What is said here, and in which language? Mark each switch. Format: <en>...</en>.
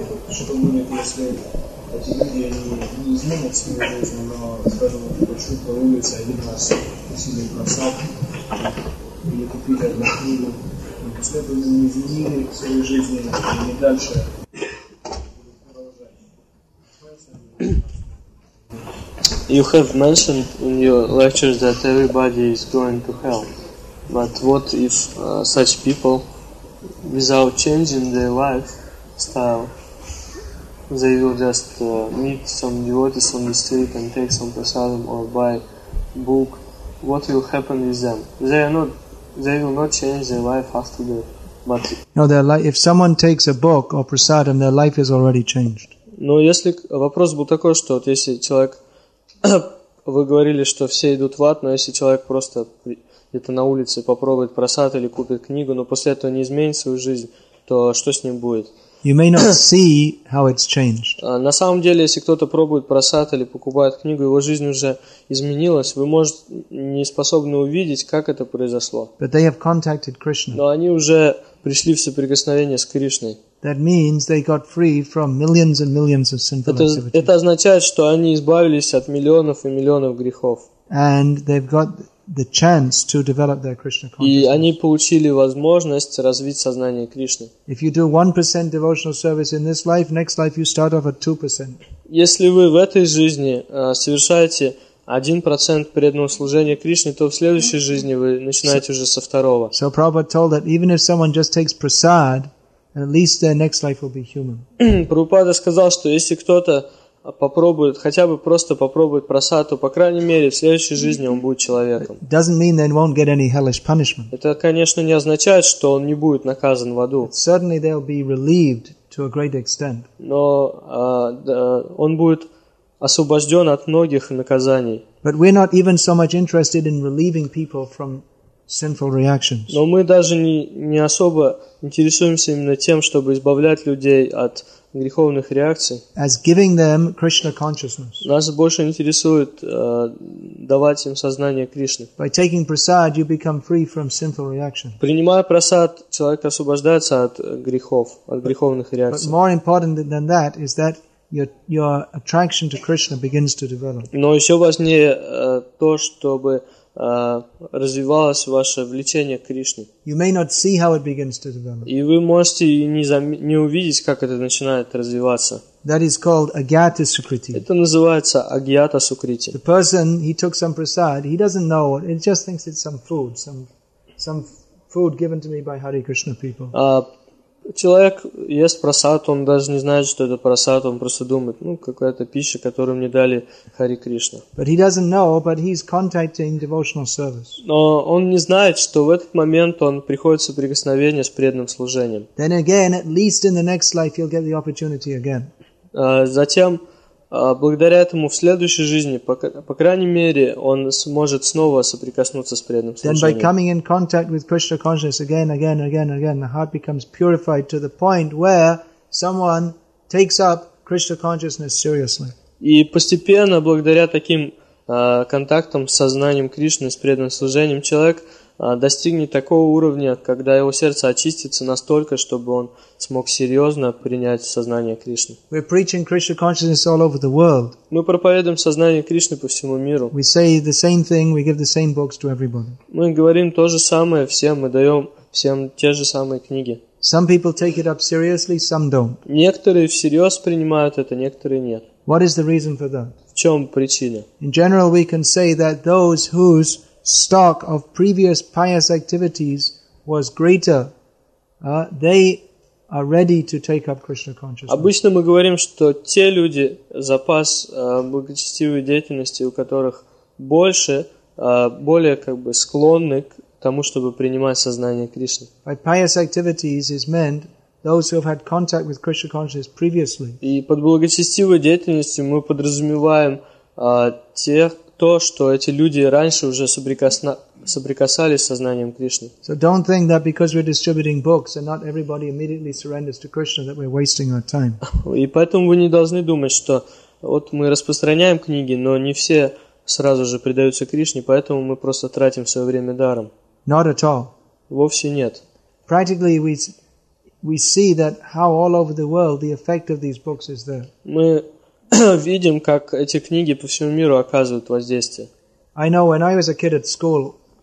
<ru>Что думают, если эти люди они не изменят свою жизнь, но, скажем, почему по улице один раз сильный просад или купили одну книгу, но после этого не изменили свою жизнь и не дальше будут продолжать.</ru> <en>You have mentioned in your lectures that everybody is going to hell. But what if such people, without changing their lifestyle, they will just meet some devotees on the street and take some prasadam or buy book, what will happen with them? They will not change their life after that. But no, if someone takes a book or prasadam, their life is already changed.</en> <ru>Но если вопрос был такой, что вот если человек вы говорили, что все идут в ад, но если человек просто где-то на улице попробует просад или купит книгу, но после этого не изменит свою жизнь, то что с ним будет?</ru> <en>You may not see how it's changed.</en> <ru>На самом деле, если кто-то пробует просад или покупает книгу, его жизнь уже изменилась, вы, может, не способны увидеть, как это произошло.</ru> <en>But they have contacted Krishna.</en> <ru>Но они уже пришли в соприкосновение с Кришной.</ru> <en>That means they got free from millions and millions of sinful activities.</en> <ru>Это означает, что они избавились от миллионов и миллионов грехов.</ru> <en>And they've got the chance to develop their Krishna consciousness.</en> <ru>И они получили возможность развить сознание Кришны.</ru> <en>If you do 1% devotional service in this life, next life you start off at 2%.</en> <ru>Если вы в этой жизни совершаете 1% преданного служения Кришне, то в следующей жизни вы начинаете уже со второго.</ru> <en>So Prabhupada told that even if someone just takes prasad, at least their next life will be human.</en> <ru>Прабхупада сказал, что если кто-то попробует, хотя бы просто попробует просад, то, по крайней мере, в следующей жизни он будет человеком.</ru> <en>It doesn't mean they won't get any hellish punishment.</en> <ru>Это, конечно, не означает, что он не будет наказан в аду.</ru> <en>But certainly they'll be relieved to a great extent.</en> <ru>Но он будет освобожден от многих наказаний.</ru> <en>But we're not even so much interested in relieving people from sinful reactions.</en> <ru>Но мы даже не особо интересуемся именно тем, чтобы избавлять людей от греховных реакций.</ru> <en>As giving them Krishna consciousness.</en> <ru>Нас больше интересует давать им сознание Кришны.</ru> <en>By taking prasad, you become free from sinful reactions.</en> <ru>Принимая прасад, человек освобождается от грехов, от греховных реакций.</ru> <en>But more important than that is that your attraction to Krishna begins to develop.</en> <ru>Но еще важнее то, чтобы развивалось ваше влечение к Кришне.</ru> <en>You may not see how it begins to develop.</en> <ru>И вы можете не увидеть, как это начинает развиваться.</ru> <en>That is called agyata sukriti.</en> <ru>Это называется агьята сукрити.</ru> <en>The person, he took some prasad, he doesn't know it, he just thinks it's some food given to me by Hare Krishna people.</en> <ru>Человек ест прасад, он даже не знает, что это прасад, он просто думает, ну, какая-то пища, которую мне дали Хари Кришна.</ru> <en>But he doesn't know, but he's contacting devotional service.</en> <ru>Но он не знает, что в этот момент он приходит в соприкосновение с преданным служением.</ru> <en>Then again, at least in the next life, you'll get the opportunity again.</en> <ru>Затем, благодаря этому, в следующей жизни, по крайней мере, он сможет снова соприкоснуться с преданным служением.</ru> <en>Then by coming in contact with Krishna consciousness again, again, again, again, the heart becomes purified to the point where someone takes up Krishna consciousness seriously.</en> <ru>И постепенно, благодаря таким контактам с сознанием Кришны, с преданным служением, человек достигнет такого уровня, когда его сердце очистится настолько, чтобы он смог серьезно принять сознание Кришны.</ru> <en>We're preaching Krishna consciousness all over the world.</en> <ru>Мы проповедуем сознание Кришны по всему миру.</ru> <en>We say the same thing, we give the same books to everybody.</en> <ru>Мы говорим то же самое всем, мы даем всем те же самые книги.</ru> <en>Some people take it up seriously, some don't.</en> <ru>Некоторые всерьез принимают это, некоторые нет.</ru> <en>What is the reason for that?</en> <ru>В чем причина?</ru> <en>In general, we can say that those whose stock of previous pious activities was greater, they are ready to take up Krishna consciousness.</en> <ru>Обычно мы говорим, что те люди, запас благочестивой деятельности, у которых больше, более как бы склонны к тому, чтобы принимать сознание Кришны.</ru> <en>By pious activities is meant those who have had contact with Krishna consciousness previously.</en> <ru>И под благочестивой деятельностью мы подразумеваем тех, то, что эти люди раньше уже соприкасались с сознанием Кришны.</ru> <en>So don't think that because we're distributing books and not everybody immediately surrenders to Krishna that we're wasting our time.</en> <ru>И поэтому вы не должны думать, что вот мы распространяем книги, но не все сразу же предаются Кришне, поэтому мы просто тратим свое время даром.</ru> <en>Not at all.</en> <ru>Вовсе нет.</ru> <en>Practically we see that how all over the world the effect of these books is there.</en> <ru>Мы видим, как эти книги по всему миру оказывают воздействие.</ru> <en>I know when I was a kid at school,</en>